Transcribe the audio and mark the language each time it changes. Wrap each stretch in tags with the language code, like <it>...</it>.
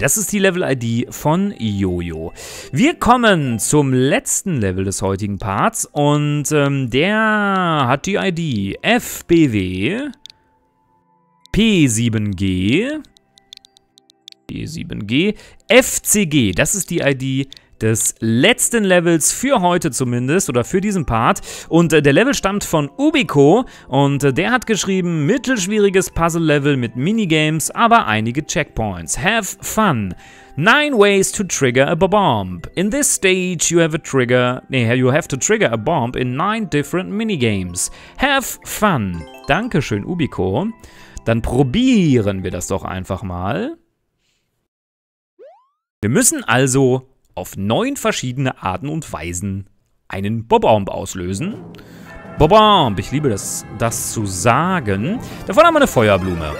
<de>Das ist die Level-ID von Jojo. Wir kommen zum letzten Level des heutigen Parts und der hat die ID FBW P7G. P7G. FCG. Das ist die ID des letzten Levels für heute zumindest oder für diesen Part. Und der Level stammt von Ubico und der hat geschrieben, mittelschwieriges Puzzle-Level mit Minigames, aber einige Checkpoints.</de> <en>Have fun. 9 ways to trigger a bomb. In this stage you have a trigger...</en> <de>Nee,</de> <en>you have to trigger a bomb in 9 different Minigames. Have fun.</en> <de>Dankeschön,</de> <en>Ubico.</en> <de>Dann probieren wir das doch einfach mal. Wir müssen also auf 9 verschiedene Arten und Weisen einen Bob-Omb auslösen. Bob-Omb, ich liebe das zu sagen. Davon haben wir eine Feuerblume.</de>